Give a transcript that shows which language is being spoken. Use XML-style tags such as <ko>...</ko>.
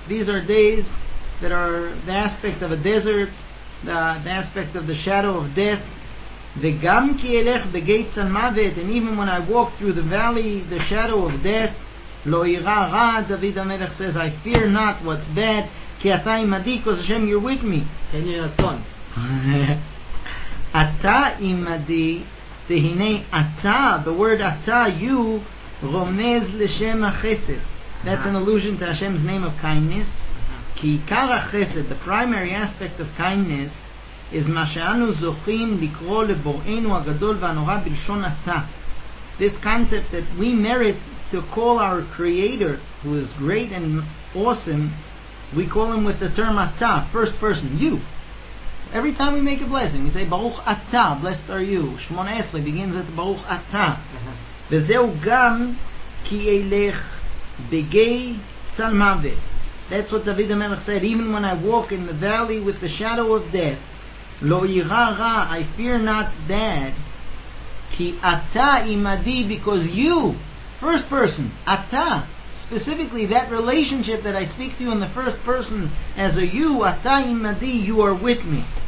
<en>These are days that are the aspect of a desert, the aspect of the shadow of death.</en> <he>וגם כי אלך בגיא צל מוות,</he> <en>and even when I walk through the valley, the shadow of death,</en> <he>לא ירא רע,</he> <en>דוד המלך says, I fear not what's bad,</en> <he>כי אתה עמדי, כי השם,</he> <en>you're with me.</en> <he>כן, יהיה נתון. אתה עמדי, והנה אתה,</he> <en>the word</en> <he>אתה, you, רומז לשם החסד.</he> <en>That's an allusion to Hashem's name of kindness.</en> <he>עיקר החסד,</he> <en>the primary aspect of kindness, is</en> <he>מה שאנו זוכים לקרוא לבוראינו הגדול והנורא בלשון אתה.</he> <en>This concept that we merit to call our creator, who is great and awesome, we call him with the term אתה, first person, you. Every time we make a blessing, we say, ברוך אתה, blessed are you. 18 begins at ברוך אתה.</en> <he>וזהו גם כי אלך בגי צל מוות.</he> <en>That's what David the Melech said, even when I walk in the valley with the shadow of death,</en> <he>לא ירא רע,</he> <en>I fear not bad,</en> <he>כי אתה עמדי,</he> <en>because you, first person, אתה, specifically that relationship that I speak to you in the first person, as a you,</en> <he>אתה עמדי,</he> <en>you are with me.</en>